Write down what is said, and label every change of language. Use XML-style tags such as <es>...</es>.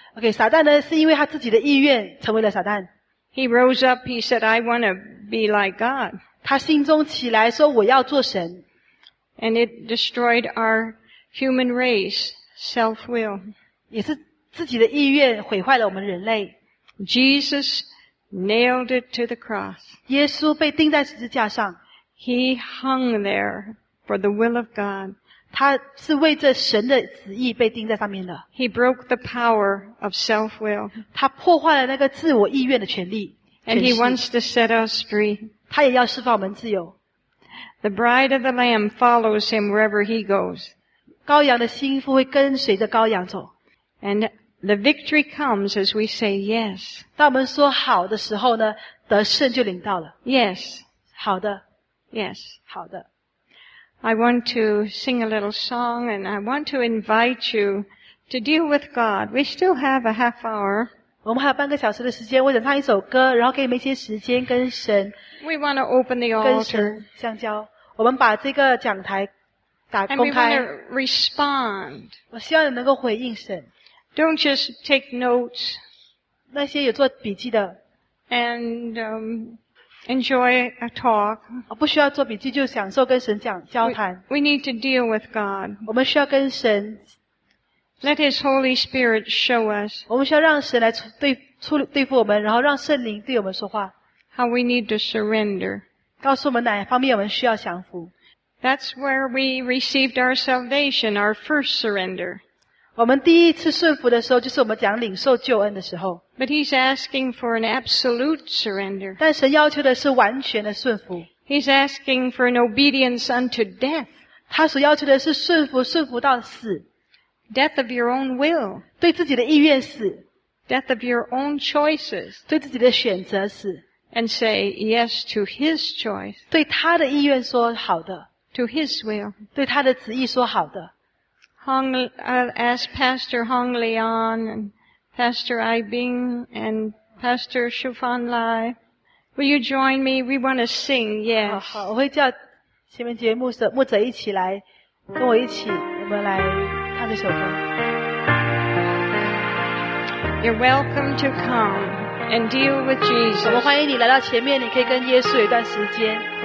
<zh>Okay, 撒旦呢是因为他自己的意愿成为了撒旦。</zh> <en>He rose up, he said, I want to be like God.</en> <zh>他心中起来说我要做神。</zh> <en>And it destroyed our human race, self-will.</en> <zh>也是自己的意愿毁坏了我们人类。</zh> <en>Jesus nailed it to the cross.</en> <zh>耶稣被钉在十字架上。</zh> <en>He hung there for the will of God.</en> <zh>他是为着神的旨意被钉在上面的。</zh> <en>He broke the power of self-will.</en> <zh>他破坏了那个自我意愿的权利。</zh> <en>And he wants to set us free.</en> <zh>他也要释放我们自由。</zh> <en>The bride of the Lamb follows him wherever he goes.</en> <zh>羔羊的心腹会跟随着羔羊走。</zh> <en>And the victory comes as we say yes.</en> <zh>当我们说好的时候呢，得胜就临到了。</zh> <en>Yes.</en> <zh>好的。</zh> <en>Yes.</en> <zh>好的。</zh> <en>I want to sing a little song and I want to invite you to deal with God. We still have a half hour.</en> <zh>我们还有半个小时的时间我想唱一首歌然后给你们一些时间跟神。</zh> <en>We want to open the altar.</en> <zh>跟神相交。我们把这个讲台打公开。</zh> <en>And we want to respond.</en> <zh>我希望你能够回应神。</zh> <en>Don't just take notes.</en> <zh>那些有做笔记的。</zh> <en>And, Enjoy a talk.</en> <zh>不需要做笔记就享受跟神讲交谈。</zh> <en>We need to deal with God.</en> <zh>我们需要跟神。</zh> <en>Let His Holy Spirit show us.</en> <zh>我们需要让神来对付我们然后让圣灵对我们说话。</zh> <en>How we need to surrender.</en> <zh>告诉我们哪方面我们需要降服。</zh> <en>That's where we received our salvation, our first surrender.</en> <zh>我们第一次顺服的时候就是我们讲领受救恩的时候。</zh> <en>But he's asking for an absolute surrender.</en> <zh>但神要求的是完全的顺服。</zh> <en>He's asking for an obedience unto death.</en> <zh>他所要求的是顺服，顺服到死。</zh> <en>Death of your own will.</en> <zh>对自己的意愿死。</zh> <en>Death of your own choices.</en> <zh>对自己的选择死。</zh> <en>And say yes to his choice.</en> <zh>对他的意愿说好的。</zh> <en>To his will.</en> <zh>对他的旨意说好的。</zh> <en>As Pastor Hong Leon and Pastor Ai Bing and Pastor Shufan Lai. Will you join me? We want to sing, yes.</en> <zh>好，我会叫前面几位牧者一起来，跟我一起，我们来唱这首歌。</zh> <en>You're welcome to come and deal with Jesus.</en> <zh>我们欢迎你来到前面，你可以跟耶稣有一段时间。</zh>